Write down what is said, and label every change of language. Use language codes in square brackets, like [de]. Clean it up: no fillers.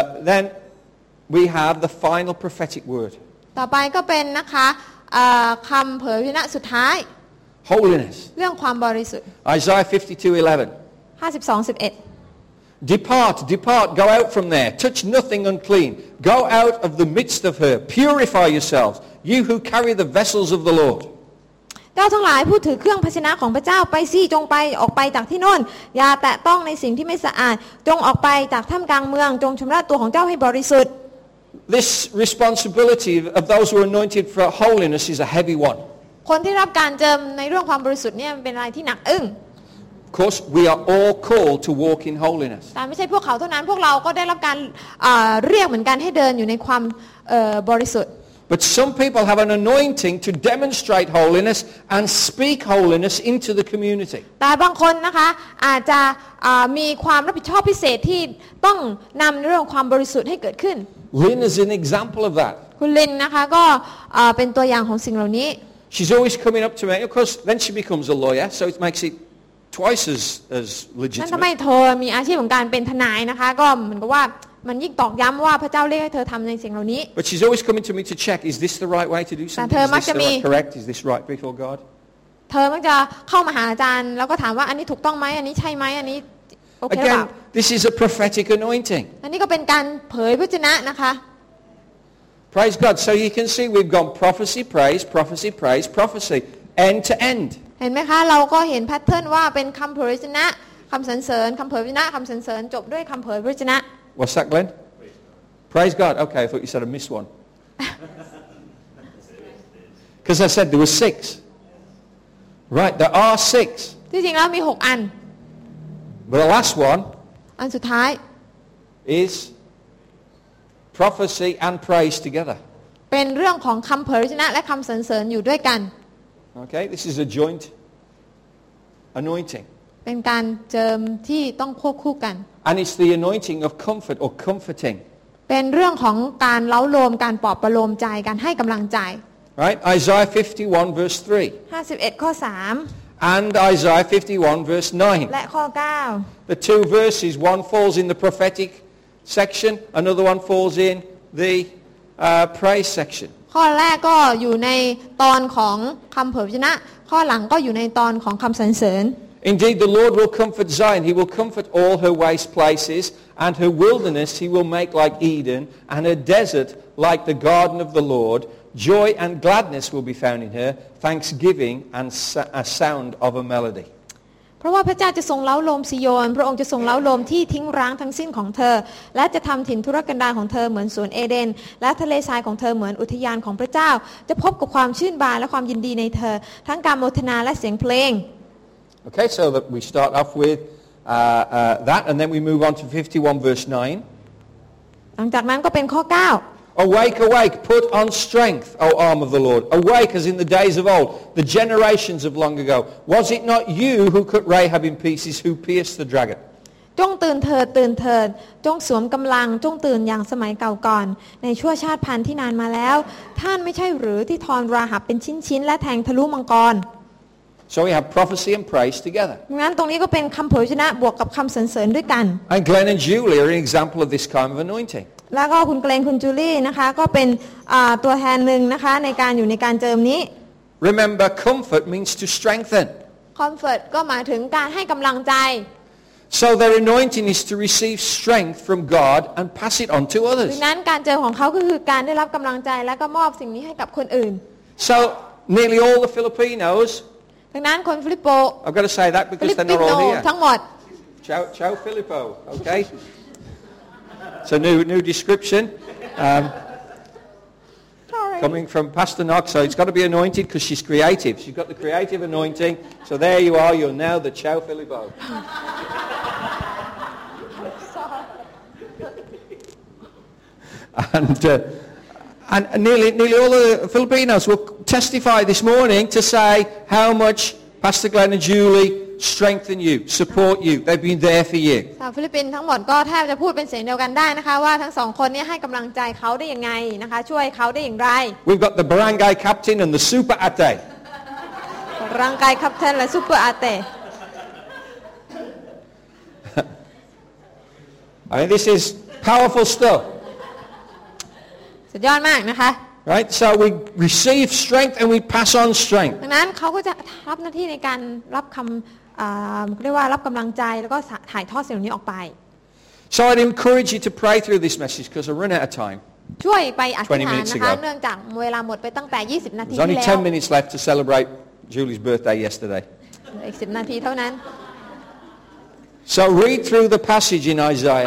[en] Then we have the final prophetic word. [th] ต่อไปก็เป็นนะคะคำเผยพระชนะสุดท้าย [en] Holiness. [th] เรื่องความบริสุทธิ์ [en] Isaiah 52:11. 52:11. Depart, go out from there. Touch nothing unclean. Go out of the midst of her. Purify yourselves, you who carry the vessels of the Lord. [th] เ จ้าทั้งหลายผู้ถือเครื่องภาชนะของพระเจ้าไปสิจงไปออกไปจากที่นั่นอย่าแตะต้องในสิ่งที่ไม่สะอาดจงออกไปจากท่ามกลางเมืองจงชำระตัวของเจ้าให้บริสุทธิ์ [en] This responsibility of those who are anointed for holiness is a heavy one. [th] คนที่รับการเจิมในเรื่องความบริสุทธิ์เนี่ยเป็นอะไรที่หนักอึ้ง [en] Of course, we are all called to walk in holiness. [th] แต่ไม่ใช่พวกเขาเท่านั้นพวกเราก็ได้รับการเรียกเหมือนกันให้เดินอยู่ในความบริสุทธิ์ [en] But some people have an anointing to demonstrate holiness and speak holiness into the community. [th] แต่บางคนนะคะอาจจะมีความรับผิดชอบพิเศษที่ต้องนำเรื่องความบริสุทธิ์ให้เกิดขึ้น [en] Lynn is an example of that. [th] คุณลินนะคะก็เป็นตัวอย่างของสิ่งเหล่านี้ [en] She's always coming up to me. Of course, then she becomes a lawyer, so it makes it. Twice as legitimate. [th] ฉันทำไมเธอมีอาชีพของการเป็นทนายนะคะก็เหมือนกับว่ามันยิ่งตอกย้ำว่าพระเจ้าเรียกให้เธอทำในสิ่งเหล่านี้ [en] But she's always coming to me to check is this the right way to do something? [th] แต่เธอมักจะมี [en] correct is this right before God? [th] เธอมักจะเข้ามาหาอาจารย์แล้วก็ถามว่าอันนี้ถูกต้องไหมอันนี้ใช่ไหมอันนี้โอเคหรือเปล่า [en] Again this is a prophetic anointing. [th] อันนี้ก็เป็นการเผยพระชนะนะคะ [en] Praise God so you can see we've gone prophecy praise prophecy praise prophecy end to end. [th] เห็นไหมคะเราก็เห็นแพทเทิร์นว่าเป็นคำเผยพระชนะคำสรรเสริญคำเผยพระชนะคำสรรเสริญจบด้วยคำเผยพระชนะ [en] What's that, Glenn? Praise God. Okay, I thought you said I missed one. Because I said there were six. Right, there are six. [th] ที่จริงแล้วมีหกอัน [en] But the last one [th] อันสุดท้าย [en] is prophecy and praise together. [th] เป็นเรื่องของคำเผยพระชนะและคำสรรเสริญอยู่ด้วยกัน [en] Okay, this is a joint anointing. [th] เป็นการเจิมที่ต้องควบคู่กัน [en] And it's the anointing of comfort or comforting. [th] เป็นเรื่องของการเล้าโลมการปลอบประโลมใจการให้กำลังใจ [en] Right, Isaiah 51:3. [th] 51ข้อ3 [en] And Isaiah 51:9. [th] และข้อ9 [en] The two verses, one falls in the prophetic section, another one falls in the praise section. [th] ข้อแรกก็อยู่ในตอนของคำเผยพระชนะข้อหลังก็อยู่ในตอนของคำสรรเสริญ [en] Indeed the Lord will comfort Zion he will comfort all her waste places and her wilderness he will make like Eden and her desert like the garden of the Lord joy and gladness will be found in her thanksgiving and a sound of a melody [th] พ ราะว่าพระเจ้าจะทรงเล้าลมซิโยนพระองค์จะทรงเล้าลมที่ทิ้งร้างทั้งสิ้นของเธอและจะทำถิ่นทุรกันดารของเธอเหมือนสวนเอเดนและทะเลทรายของเธอเหมือนอุทยานของพระเจ้าจะพบกับความชื่นบานและความยินดีในเธอทั้งการโมทนาและเสียงเพลง [en] Okay, so that we start off with that and then we move on to 51 verse 9 [th] หลังจากนั้นก็เป็นข้อ9 [en] Awake, awake, put on strength, O arm of the Lord. Awake as in the days of old, the generations of long ago. Was it not you who cut Rahab in pieces, who pierced the dragon? [th] จงตื่นเถิดตื่นเถิดจงสวมกำลังจงตื่นอย่างสมัยเก่าก่อนในชั่วชาติพันที่นานมาแล้วท่านไม่ใช่หรือที่ทอนราหับเป็นชิ้นชิ้นและแทงทะลุมังกร [en] So we have prophecy and praise together. [th] งั้นตรงนี้ก็เป็นคำเผยชนะบวกกับคำสรรเสริญด้วยกัน [en] And Glenn and Julie are an example of this kind of anointing. [th] แล้วก็คุณเกรงคุณจูลี่นะคะก็เป็นตัวแทนหนึ่งนะคะในการอยู่ในการเจิมนี้ [en] Remember comfort means to strengthen [th] comfort ก็หมายถึงการให้กำลังใจ [en] So their anointing is to receive strength from God and pass it on to others [th] ดังนั้นการเจิมของเขาก็คือการได้รับกำลังใจแล้วก็มอบสิ่งนี้ให้กับคนอื่น [en] So nearly all the Filipinos [th] ดังนั้นคนฟิลิปโป [en] I've got to say that because they're not all here [th] ทั้งหมด [en] Ciao ciao Filippo okayIt's a new description. Sorry. Coming from Pastor Knox, so it's got to be anointed because she's creative. She's got the creative anointing. So there you are. You're now the Chow Filippo. And nearly all the Filipinos will testify this morning to say how much Pastor Glenn and Julie. Strengthen you, support you. They've been there for you. [th] ชาวฟิลิปปินส์ทั้งหมดก็แทบจะพูดเป็นเสียงเดียวกันได้นะคะว่าทั้งสองคนนี้ให้กำลังใจเขาได้ยังไงนะคะช่วยเขาได้อย่างไร [en] We've got the barangay captain and the super ate. Barangay captain และ super ate. I mean, this is powerful stuff. [th] สุดยอดมากนะคะ [en] Right, so we receive strength and we pass on strength. [th] ดังนั้นเขาก็จะรับหน้าที่ในการรับคำเรียกว่ารับกำลังใจแล้วก็ถ่ายทอดสิ่งนี้ออกไป [en] So I'd encourage you to pray through this message because I ran out of time. [th] ช่วยไปอธิษฐานนะคะเนื่องจากเวลาหมดไปตั้งแต่20นาทีแล้ว [en] There's only 10 minutes left to celebrate Julie's birthday yesterday. [th] อีก10นาทีเท่านั้น [en] So read through the passage in Isaiah.